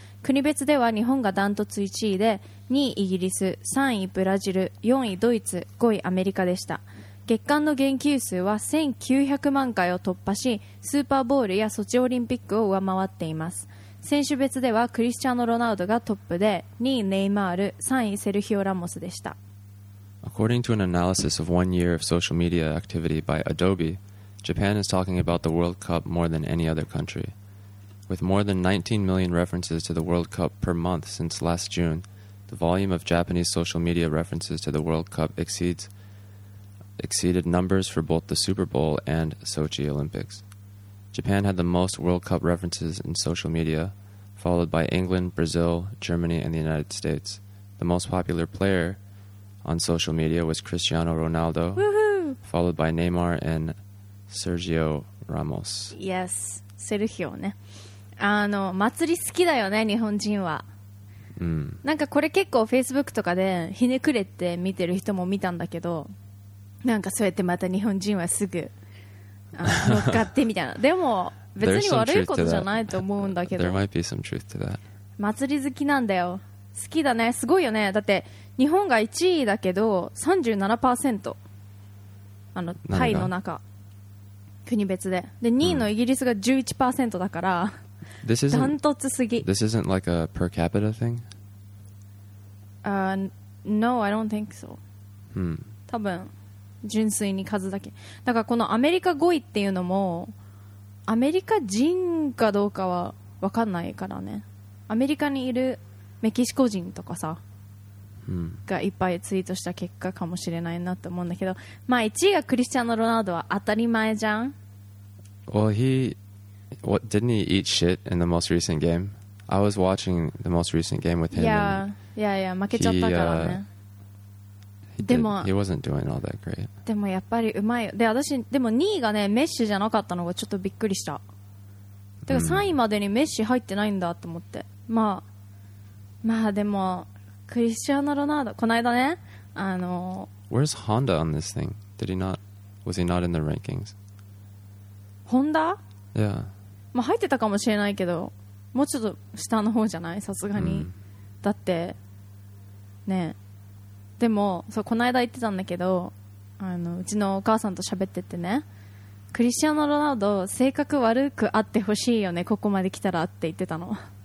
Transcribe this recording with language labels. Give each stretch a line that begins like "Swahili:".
Japanese: 国別では日本がダントツ1位で、2位イギリス、3位ブラジル、4位ドイツ、5位アメリカでした。月間の言及数は1900万回を突破し、スーパーボウルやソチオリンピックを上回っています。選手別ではクリスチャーノ・ロナウドがトップで、2位ネイマール、3位セルヒオ・ラモスでした。
English: According to an analysis of one year of social media activity by Adobe, Japan is talking about the World Cup more than any other country. With more than 19 million references to the World Cup per month since last June, the volume of Japanese social media references to the World Cup exceeded numbers for both the Super Bowl and Sochi Olympics. Japan had the most World Cup references in social media, followed by England, Brazil, Germany, and the United States. The most popular player on social media was Cristiano Ronaldo, followed by Neymar and Sergio Ramos. Yes, Sergio, ね。
Japanese: あの、祭り好きだよね、日本人は。 Mm. なんかこれ結構 Facebook とかでひねくれて見てる人も見たんだけど、なんかそうやってまた日本人はすぐ乗っかってみたいな。でも別に悪いことじゃないと思うんだけど。
English: There might be some truth to that.
Japanese: 祭り好きなんだよ。好きだね。すごいよね。だって日本が1位だけど 37%、 あのタイの中、国別で。で、2位のイギリスが 11% だから、
English: This isn't,
Japanese: ダントツすぎ。
English: This isn't like a per capita thing? No, I don't think so.
Japanese: 多分純粋に数だけ。だからこのアメリカ5位っていうのも、アメリカ人かどうかは分かんないからね。アメリカにいるメキシコ人とかさ、がいっぱいツイートした結果かもしれないなと思うんだけど、まあ1位がクリスチャーノ・ロナウドは当たり前じゃん。
English: Well, he what, didn't he eat shit in the most recent game? I was watching the most recent game with him.
Japanese: Yeah, yeah, yeah, 負けちゃったからね。
English: He wasn't doing all that great.
Japanese: でもやっぱりうまい。で、私、でも2位がね、メッシじゃなかったのがちょっとびっくりした。てか3位までにメッシ入ってないんだと思って。まあ、まあでも、クリスチャーノ・ロナウド、この間ね、あの、
English: Where's Honda on this thing? Did he not, was he not in the rankings? Honda? Yeah.
Japanese: まあ入ってたかもしれないけど、もうちょっと下の方じゃない？さすがに。だって、ねえ。でもそう、この間言ってたんだけど、あのうちのお母さんと喋っててね、クリスチャーノ・ロナウド性格悪くあってほしいよね、ここまで来たらって言ってたの。